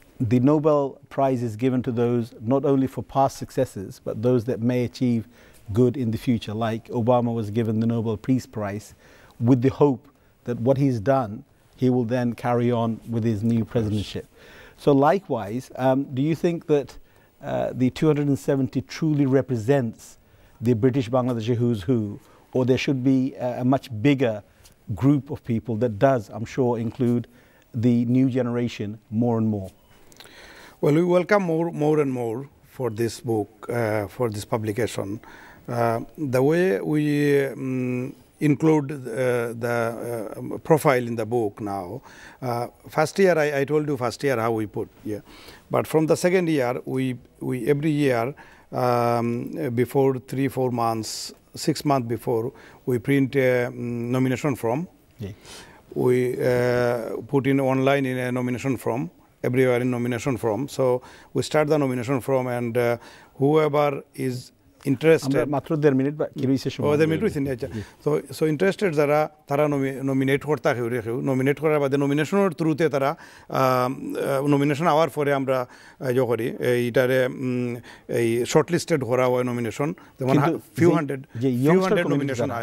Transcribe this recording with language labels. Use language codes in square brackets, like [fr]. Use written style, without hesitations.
[en] The Nobel prize is given to those not only for past successes but those that may achieve good in the future, like Obama was given the Nobel Peace Prize with the hope that what he's done, he will then carry on with his new presidentship. So likewise, do you think that the 270 truly represents the British Bangladeshi Who's Who, or there should be a much bigger group of people that does, I'm sure, include the new generation more and more? Well, we welcome more and more for this book, for this publication. The way we include the profile in the book now, first year I told you first year how we put, yeah. But from the second year, we every year before 3-4 months, 6 months before, we print a nomination form. Yeah. We put in online in a nomination form, everywhere in nomination form. So we start the nomination form, and whoever is interested. [bn] মাত্র দেড় minute বা কি হয়েছে সময় দেড় minute হয়েছে আচ্ছা তো সো ইন্টারেস্টেড যারা তারা নমিনেট করতে হেউরে হেউ নমিনেট করার বাদে নমিনেশনের থ্রুতে তারা নমিনেশন আওয়ার পরে আমরা ইয়ে করি এইটারে এই শর্ট লিস্টেড ঘোরা হয় নমিনেশন যেমন ফিউ হান্ড্রেড নমিনেশন